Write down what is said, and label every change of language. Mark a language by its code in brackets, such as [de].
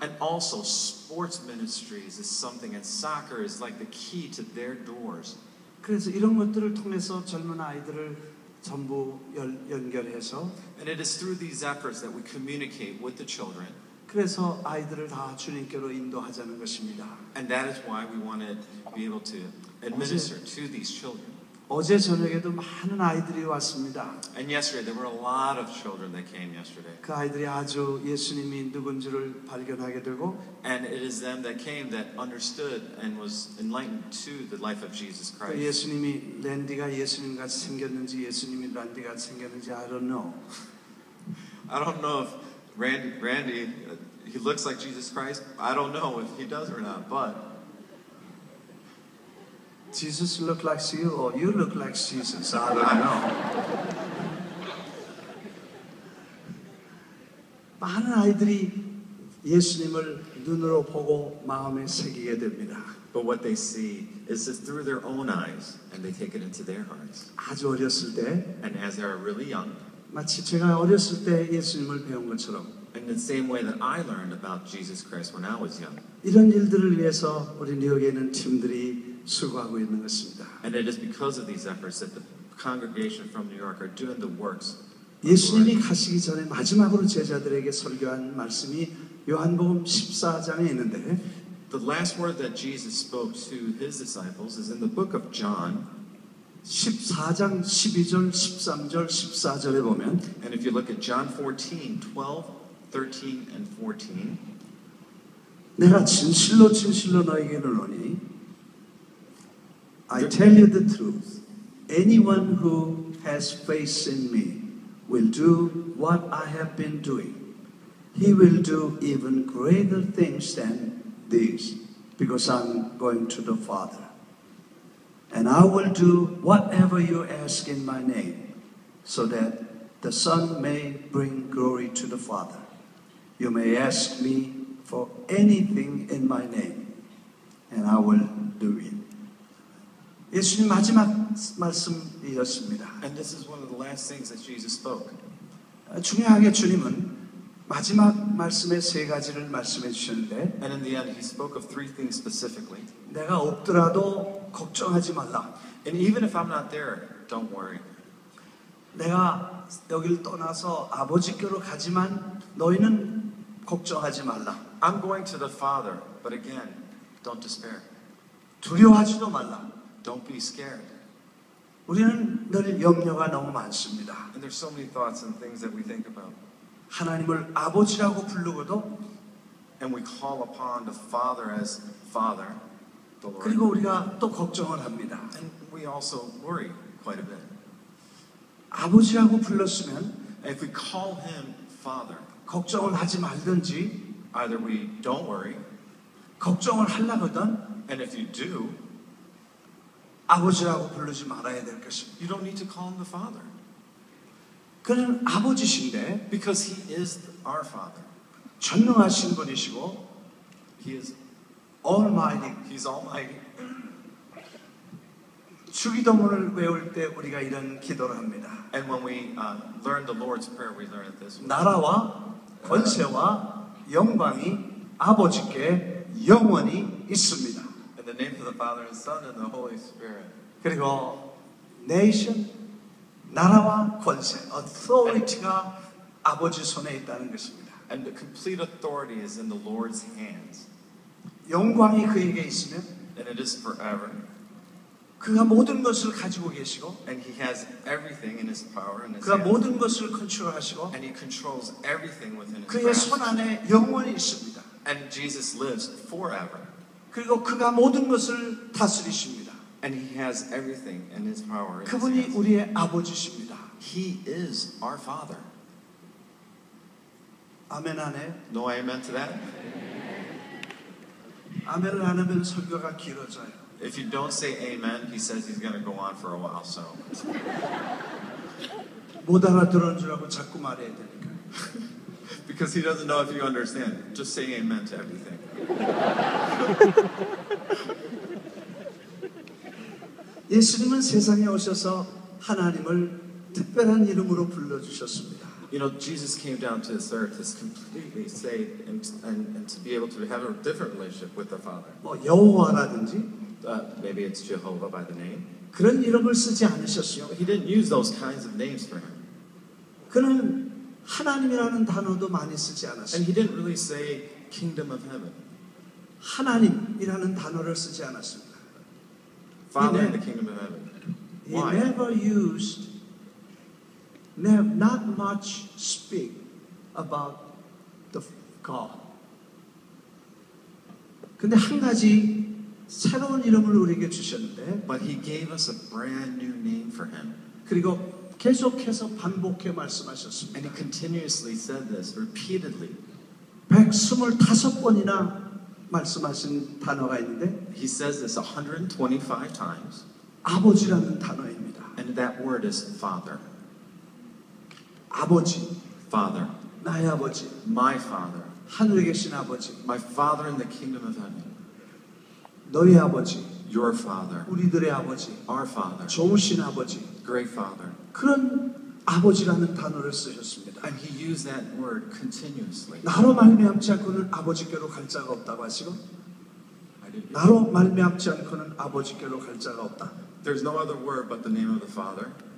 [en] And also sports ministries is something and soccer is like the key to their doors. [ko] 그래서 이런 것들을 통해서 젊은 아이들을 전부 연결해서 [en] And it is through these efforts that we communicate with the children. [ko] 그래서 아이들을 다 주님께로 인도하자는 것입니다. [en] And that is why we want to be able to administer to these children. [ko] 어제 저녁에도 많은 아이들이 왔습니다. [en] And yesterday there were a lot of children that came yesterday. [ko] 그 아이들이 아주 예수님이 누군지를 발견하게 되고 [en] And it is them that came that understood and was enlightened to the life of Jesus Christ. [ko] 그 예수님이 랜디가 예수님 같이 생겼는지 예수님이 랜디 같이 생겼는지 [en] I don't know. I don't know if Randy he looks like Jesus Christ. I don't know if he does or not, but Jesus look like you or you look like Jesus. I don't know. [ko] 많은 아이들이 예수님을 눈으로 보고 마음에 새기게 됩니다. [en] But what they see is it through their own eyes and they take it into their hearts. [ko] 아주 어렸을 때 [en] and as they are really young. [ko] 마치 제가 어렸을 때 예수님을 배운 것처럼 [en] in the same way that I learned about Jesus Christ when I was young. [ko] 이런 일들을 위해서 우리 뉴욕에 있는 팀들이 수고하고 있는 것입니다. [en] And it is because of these efforts that the congregation from New York are doing the works. [ko] 예수님이 가시기 전에 마지막으로 제자들에게 설교한 말씀이 요한복음 14장에 있는데 [en] The last word that Jesus spoke to his disciples is in the book of John [ko] 14장 12절 13절 14절에 보면 [en] And if you look at John 14, 12, 13 and 14 [ko] 내가 진실로 진실로 너에게 이르노니 [en] I tell you the truth. Anyone who has faith in me will do what I have been doing. He will do even greater things than these because I'm going to the Father. And I will do whatever you ask in my name so that the Son may bring glory to the Father. You may ask me for anything in my name and I will do it. [ko] 예수님 마지막 말씀이었습니다. [en] And this is one of the last things that Jesus spoke. [ko] 중요하게 주님은 마지막 말씀의 세 가지를 말씀해 주셨는데 [en] And in the end, he spoke of three things specifically. [ko] 내가 없더라도 걱정하지 말라. [en] And even if I'm not there, don't worry. [ko] 내가 여기를 떠나서 아버지께로 가지만 너희는 걱정하지 말라. [en] I'm going to the Father, but again, don't despair. [ko] 두려워하지도 말라. [en] Don't be scared. [ko] 우리는 늘 염려가 너무 많습니다. [en] And there's so many thoughts and things that we think about. [ko] 하나님을 아버지라고 부르고도 [en] and we call upon the Father as Father, the Lord. [ko] 그리고 우리가 또 걱정을 합니다. [en] And we also worry quite a bit. [ko] 아버지라고 불렀으면 [en] and if we call him Father, [ko] 걱정을 하지 말든지 [en] either we don't worry, [ko] 걱정을 하려거든 [en] and if you do, [ko] 아버지라고 부르지 말아야 될 것입니다. [en] You don't need to call him the Father. [ko] 그는 아버지신데 [en] because he is our Father. [ko] 전능하신 분이시고 [en] he is Almighty. He's Almighty. [ko] 주기도문을 외울 때 우리가 이런 기도를 합니다. [en] And when we learn the Lord's Prayer, we learn it this way. [ko] 나라와 권세와 영광이 아버지께 영원히 있습니다. [en] In the name of the Father and Son and the Holy Spirit. [ko] 그리고 nation, 나라와 권세, authority가 아버지 손에 있다는 것입니다. [en] And the complete authority is in the Lord's hands. [ko] 영광이 그에게 있으면 [en] and it is forever. [ko] 그가 모든 것을 가지고 계시고 [en] and he has everything in his power and his [ko] 그가 모든 것을 컨트롤하시고 [en] and he controls everything within his [ko] 그의 손 안에 영원히 있습니다. [en] And Jesus lives forever. [ko] 그리고 그가 모든 것을 다스리십니다. [en] And he has everything in his power. [ko] 그분이 우리의 아버지십니다. [en] He is our father. [ko] 아멘 안에 [en] No amen to that. [ko] 아멘을 안 하면 설교가 길어져요. [en] If you don't say amen, he says he's going to go on for a while, so. [ko] 못 알아들은 줄 알고 자꾸 말해야 되니까. [en] Because he doesn't know if you understand. Just say amen to everything. [ko] 예수님은 세상에 오셔서 하나님을 특별한 이름으로 불러주셨습니다. [en] You know, Jesus came down to this earth to completely say and to be able to have a different relationship with the Father. [ko] 뭐 여호와라든지 [en] Maybe it's Jehovah by the name. [ko] 그런 이름을 쓰지 않으셨어요. [en] He didn't use those kinds of names for him. [ko] 그는 하나님이라는 단어도 많이 쓰지 않았어요. [en] And he didn't really say kingdom of heaven. [ko] 하나님이라는 단어를 쓰지 않았습니다. [en] Father in the kingdom of heaven. Why? He never used, not much speak about the God. [ko] 근데 한 가지 새로운 이름을 우리에게 주셨는데 [en] But he gave us a brand new name for him. [ko] 그리고 계속해서 반복해 말씀하셨습니다. [en] And he continuously said this repeatedly. [ko] 125번이나 말씀하신 단어가 있는데 [en] He says this 125 times. [ko] 아버지라는 단어입니다. [en] And that word is father. [ko] 아버지 [en] father. [ko] 나의 아버지 [en] my father. [ko] 하늘에 계신 아버지 [en] my father in the kingdom of heaven. [ko] 너희 아버지, [en] your father, [ko] 우리들의 아버지, [en] our father, [ko] 좋으신 아버지, [en] great father, [ko] 그런 아버지라는 단어를 쓰셨습니다. [en] And he used that word continuously. [ko] 나로 말미암지 않고는 아버지께로 갈 자가 없다고 하시고, 나로 말미암지 않고는 아버지께로 갈 자가 없다. [en] There's no other word but the name of the father.